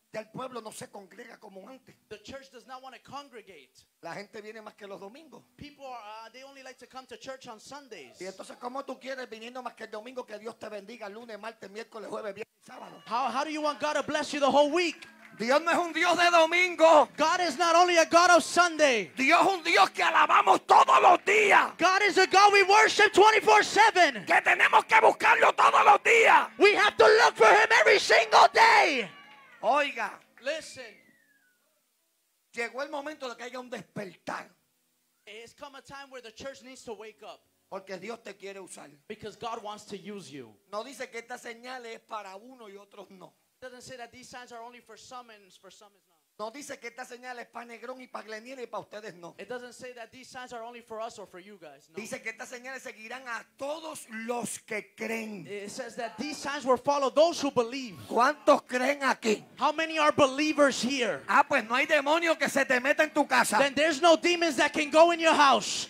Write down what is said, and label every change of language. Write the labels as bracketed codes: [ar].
[es] Ya el pueblo no se congrega como antes. [en] The church does not want to congregate. [es] La gente viene más que los domingos. [en] People are, they only like to come to church on Sundays. [es] Y entonces, ¿cómo tú quieres viniendo más que el domingo que Dios te bendiga lunes, martes, miércoles, jueves, viernes y sábado? [en] How do you want God to bless you the whole week? [es] Dios no es un Dios de domingo. [en] God is not only a God of Sunday. [es] Dios es un Dios que alabamos todos los días. [en] God is a God we worship 24/7. [es] Que tenemos que buscarlo todos los días. [en] We have to look for him every single day. [es] Oiga. [en] Listen. [es] Llegó el momento de que haya un despertar. [en] It's come a time where the church needs to wake up. [es] Porque Dios te quiere usar. [en] Because God wants to use you. [es] No dice que esta señal es para uno y otros no. [en] It doesn't say that these signs are only for some and for some is not. [es] No dice que esta señal es para Negrón y para Glenier y para ustedes no. [en] It doesn't say that these signs are only for us or for you guys. [es] No. Dice que estas señales seguirán a todos los que creen. [en] It says that these signs will follow those who believe. [es] ¿Cuántos creen aquí? [en] How many are believers here? [es] Ah, pues no hay demonio que se te meta en tu casa. [en] Then there's no demons that can go in your house.